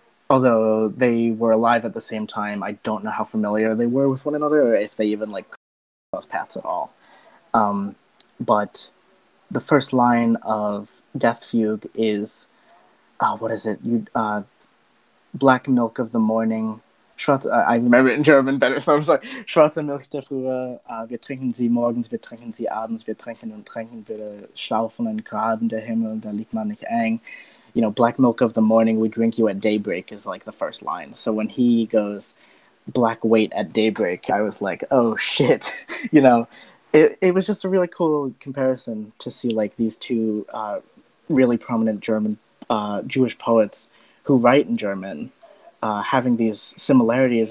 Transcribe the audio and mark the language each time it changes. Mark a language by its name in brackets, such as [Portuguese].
[English] Although they were alive at the same time, I don't know how familiar they were with one another or if they even like crossed paths at all. But the first line of Death Fugue is, what is it? Black milk of the morning. I remember it in German better, so I'm sorry. [German] Schwarze Milch der Frühe, wir trinken sie morgens, wir trinken sie abends, wir trinken und trinken, wir schaufeln in Graben der Himmel, da liegt man nicht eng. [English] You know, black milk of the morning, we drink you at daybreak, is like the first line. So when he goes, black weight at daybreak, I was like, oh shit. You know, it was just a really cool comparison to see like these two really prominent German Jewish poets who write in German having these similarities.